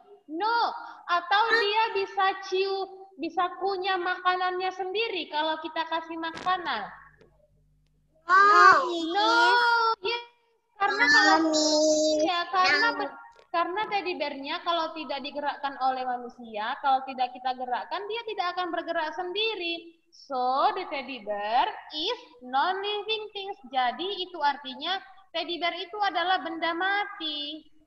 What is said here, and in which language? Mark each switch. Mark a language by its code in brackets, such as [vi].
[id] No. Atau dia bisa cium, bisa kunyah makanannya sendiri kalau kita kasih makanan. [en] No. Yeah. [id] Karena kalau ya karena karena teddy bear-nya kalau tidak digerakkan oleh manusia, kalau tidak kita gerakkan, dia tidak akan bergerak sendiri. [en] So, the teddy bear is non-living things. [id] Jadi, itu artinya teddy bear itu adalah benda mati.